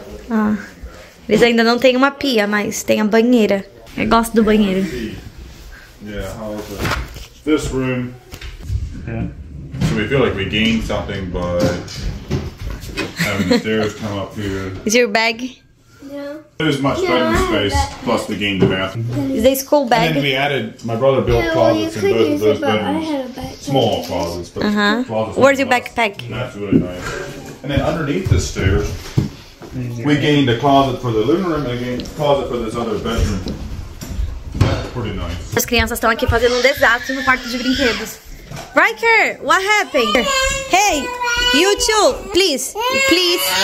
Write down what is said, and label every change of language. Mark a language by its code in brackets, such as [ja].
[pt] Ah, eles ainda não têm uma pia, mas tem a banheira. Eu gosto do banheiro. [en] Yeah, how is it? This room. So we feel like we gained something by having the stairs come up here. Is your bag? No. There's much bedroom space, plus we gained the bathroom. Is this cool bag? And then we added, my brother built closets in both of those bedrooms. Small closets, but closets. Where's your backpack? That's really nice. And then underneath the stairs, we gained a closet for the living room and a closet for this other bedroom. That's pretty nice. [pt] As crianças estão aqui fazendo desastre no quarto de brinquedos. [en] Riker, what happened? Hey, you too, please, please.